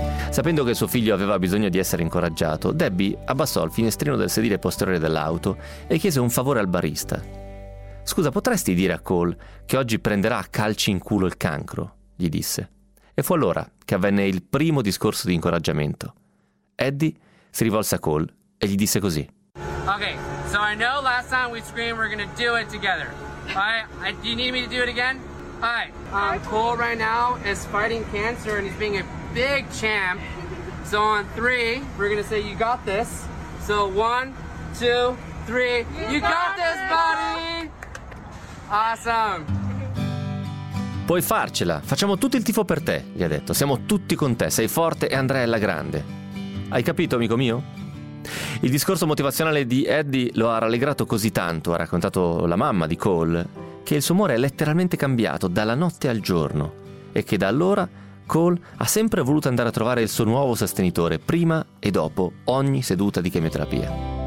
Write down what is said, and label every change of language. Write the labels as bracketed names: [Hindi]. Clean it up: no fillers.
[Italian] Sapendo che suo figlio aveva bisogno di essere incoraggiato, Debbie abbassò il finestrino del sedile posteriore dell'auto e chiese un favore al barista. «Scusa, potresti dire a Cole che oggi prenderà a calci in culo il cancro?» gli disse. E fu allora che avvenne il primo discorso di incoraggiamento. Eddie si rivolse a Cole e gli disse così. [English] «Ok, so I know last time we screamed we're gonna do it together. Alright, do you need me to do it again? Alright, Cole right now is fighting cancer and he's being a big champ, so on three we're gonna say you got this, so one, two, three, you got this buddy, awesome. [Italian] Puoi farcela, facciamo tutto il tifo per te», gli ha detto, «siamo tutti con te, sei forte e andrai alla grande, hai capito amico mio?» Il discorso motivazionale di Eddie lo ha rallegrato così tanto, ha raccontato la mamma di Cole, che il suo umore è letteralmente cambiato dalla notte al giorno e che da allora Cole ha sempre voluto andare a trovare il suo nuovo sostenitore prima e dopo ogni seduta di chemioterapia.